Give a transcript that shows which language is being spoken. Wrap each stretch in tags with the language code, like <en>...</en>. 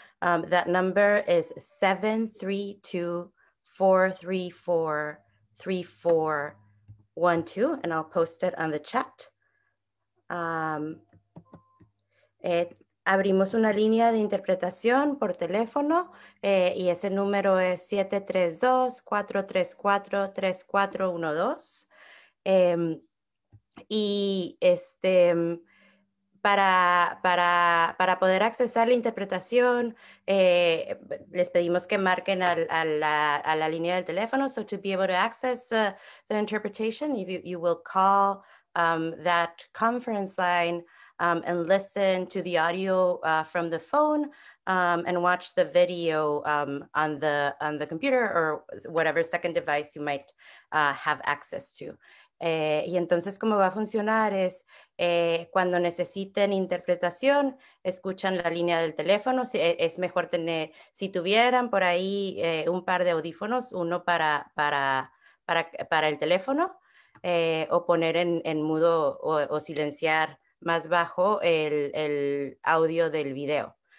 <en>That number is 732-434-3412, and I'll post it on the chat.</en> <es>Abrimos una línea de interpretación por teléfono y ese número es 732-434-3412. Y este, para poder accesar la interpretación, les pedimos que marquen a la línea del teléfono.</es> <en>So to be able to access the interpretation, you will call that conference line and listen to the audio from the phone and watch the video on the computer or whatever second device you might have access to.</en> <es>Y entonces cómo va a funcionar es cuando necesiten interpretación, escuchan la línea del teléfono. Si, es mejor tener, si tuvieran por ahí un par de audífonos, uno para el teléfono o poner en mudo o silenciar más bajo el audio del video.</es>